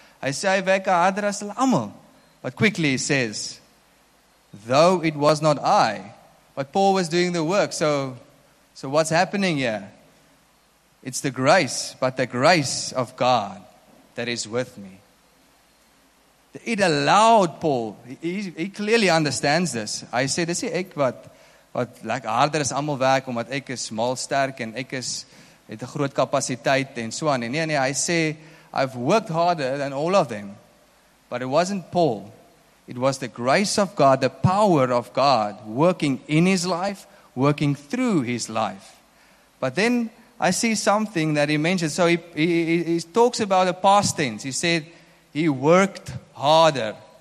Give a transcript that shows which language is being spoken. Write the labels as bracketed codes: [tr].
[af] Hy sê hy werk harder as hulle almal. [en] But quickly he says, though it was not I, but Paul was doing the work. So what's happening here? It's the grace, but the grace of God that is with me. It allowed Paul, he clearly understands this. [af] Hy sê, dis ek wat like harder as almal werk, omdat ek is mal sterk en ek is het 'n groot kapasiteit en so aan. Nee, hy sê, [en] I've worked harder than all of them. But it wasn't Paul. It was the grace of God, the power of God, working in his life, working through his life. But then I see something that he mentioned. So he talks about the past tense. He said, he worked harder.